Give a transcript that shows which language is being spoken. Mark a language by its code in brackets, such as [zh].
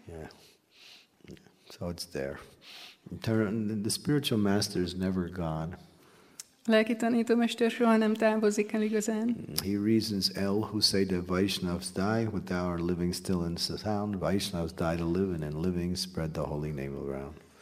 [en] Yeah. So it's there. The spiritual master is never gone. [hu] Lelki tanítómester soha nem távozik el igazán. [en] He reasons el who say the Vaishnavas die, but thou art living still in the sound. Vaishnavas die to live, and in living spread the holy name around.